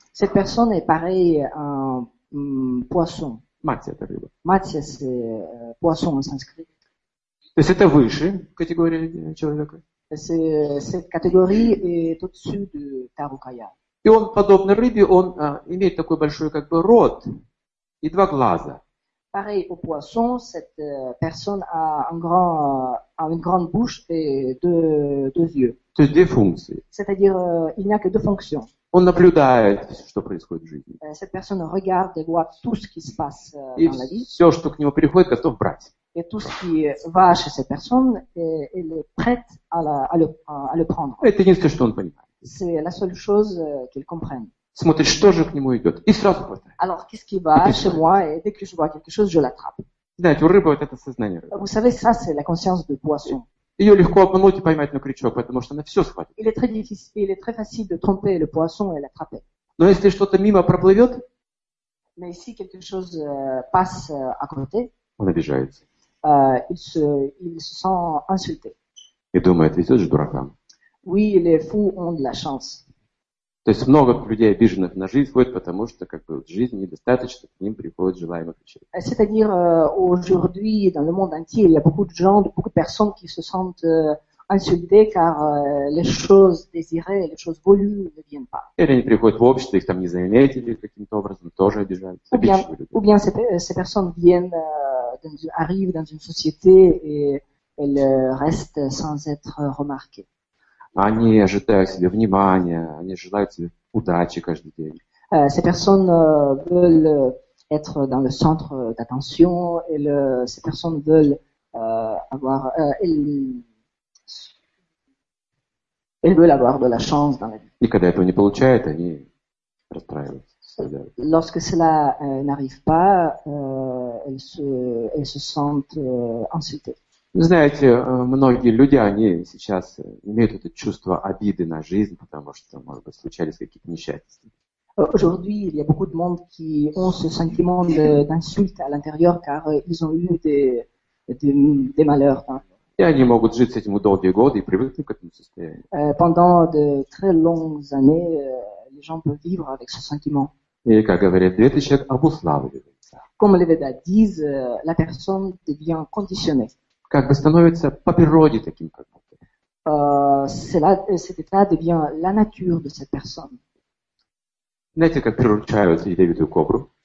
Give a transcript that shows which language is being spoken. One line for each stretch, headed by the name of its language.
French: Cette personne est pareille à un poisson.
Russian: Матья – это рыба.
French: Матья – c'est poisson en sanskrit.
Russian: То есть это выше категории человека?
French: Cette catégorie est au-dessus de тару кая.
Russian: И он подобен рыбе, он имеет такой большой как бы рот и два глаза.
French: Pareil au poisson, cette personne a un grand, a une grande bouche et deux yeux.
Russian: То есть две функции.
French: C'est-à-dire, il n'y a que deux fonctions.
Russian: Он наблюдает, что происходит в жизни.
French: Cette personne regarde et voit tout ce qui se passe dans la vie.
Russian: Все, что к нему приходит, готов брать.
French: Et tout ce qui va chez cette personne, elle est prête à le prendre.
Russian: Это единственное, что он понимает.
French: C'est la seule chose qu'il comprend.
Russian: Смотрит, что же к нему идет. И сразу хватает.
French: Alors, qu'est-ce qui va chez moi? Et dès que je vois quelque chose, je l'attrape.
Russian: Знаете, у рыбы вот это сознание рыбы.
French: Vous savez, ça, c'est la conscience de poisson.
Russian: Ее легко обмануть и поймать на крючок, потому что она все схватит.
French: Il est très difficile, il est très facile de tromper le poisson et l'attraper.
Russian: Но если что-то мимо проплывет,
French: mais si quelque chose passe à côté,
Russian: он обижается.
French: Il se sent insulté.
Russian: И думает, везет же дуракам.
French: Oui, les fous ont de la chance.
Russian: То есть много людей обиженных на жизнь ходит, потому что как бы в жизни недостаточно, к ним приходит желаемых вещей.
French: C'est-à-dire aujourd'hui dans le monde entier, il y a beaucoup de gens, beaucoup de personnes qui se sentent insultées car les choses désirées, les choses voulues ne viennent pas.
Russian: Или они приходят в общество, их там не заметили каким-то образом, тоже обижаются.
French: Ou bien ces personnes arrivent dans une société et elles restent sans être remarquées.
Russian: Они ожидают себе внимания, они желают себе удачи каждый день.
French: Ces personnes veulent être dans le centre d'attention, et ces personnes veulent avoir, elles veulent avoir de la chance dans la vie.
Russian: И когда этого не получают, они расстраиваются.
French: Lorsque cela n'arrive pas, elles se sentent insultées.
Russian: Знаете, многие люди, они сейчас имеют это чувство обиды на жизнь, потому что, может быть, случались какие-то несчастья.
French: Aujourd'hui, il y a beaucoup de monde qui ont ce sentiment d'insulte à l'intérieur, car ils ont eu des malheurs. Hein.
Russian: И они могут жить с этим долгие годы и привыкнуть к этому состоянию.
French: Pendant de très longues années, les gens peuvent vivre avec ce sentiment.
Russian: И, как говорят, это человек обуславливается.
French: Comme les Védas disent, la personne devient conditionnée.
Russian: Как бы становится по природе таким как будто.
French: Cet état devient la nature de cette personne.
Russian: Знаете, как приручают ядовитую кобру?